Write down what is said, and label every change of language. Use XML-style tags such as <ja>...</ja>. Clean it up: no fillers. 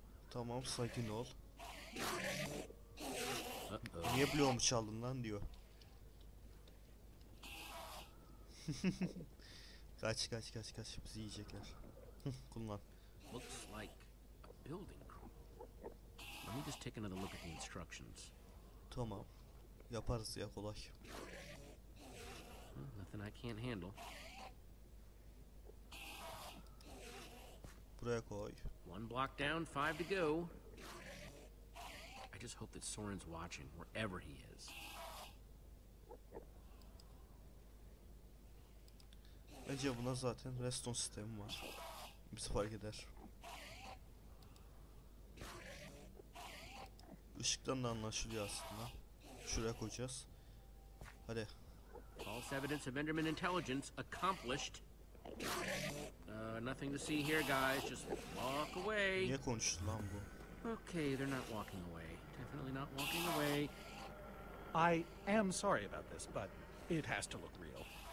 <tr>Tamam, sakin ol. Niye bloğumu çaldın lan diyor. Kaç kaç kaç kaç, bizi yiyecekler. Kullan.</tr> <en>Looks like a building crew. Let me just take another look at the instructions.</en> <tr>Tamam. Yaparız ya, kolay.</tr> <en>Nothing I can't handle.</en> <tr>Buraya koy.</tr> <en>One block down, five to go. I just hope that Soren's watching wherever he is.</en> <tr>Bence buna zaten reston sistemi var. Bizi fark eder. Işıktan da anlaşılıyor aslında. Şuraya koyacağız. Hadi.</tr> <en>False evidence of Enderman intelligence accomplished. Nothing to see here, guys. Just walk away.</en> <tr>Niye konuştu lan bu?</tr> <en>Okay, they're not walking away. Definitely not walking away. I am sorry about this, but it has to look real.</en>